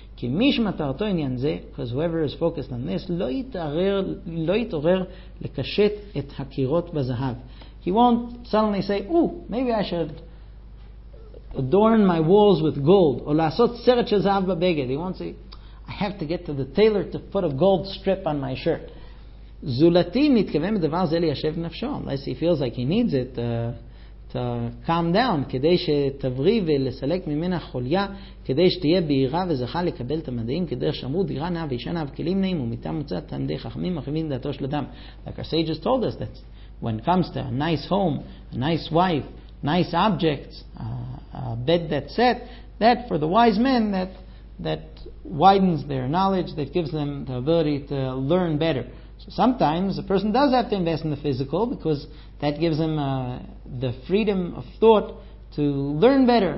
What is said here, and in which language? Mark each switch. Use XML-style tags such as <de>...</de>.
<en>Because whoever is focused on this,</en> <he>לא יתעורר לקשט את הקירות בזהב.</he> <en>He won't suddenly say, ooh, maybe I should adorn my walls with gold. Or</en> <he>לעשות סרט של זהב בבגד.</he> <en>He won't say, I have to get to the tailor to put a gold strip on my shirt.</en> <he>זולתי מתכוון בדבר זה ליישב נפשו,</he> <en>unless he feels like he needs it to calm down,</en> <he>כדי שתבריא ולסלק ממנה חוליה, כדי שתהיה בהירה וזכה לקבל את המדעים, כדי שמרו דירה נאה ואישה נאה וכלים נעים, ומיתה מוצאת תלמידי חכמים מחווים דעתו של אדם.</he> <en>Like our sages told us that when it comes to a nice home, a nice wife, nice objects, a bed that's set, that for the wise men, that widens their knowledge, that gives them the ability to learn better. So sometimes a person does have to invest in the physical because that gives him the freedom of thought to learn better.</en>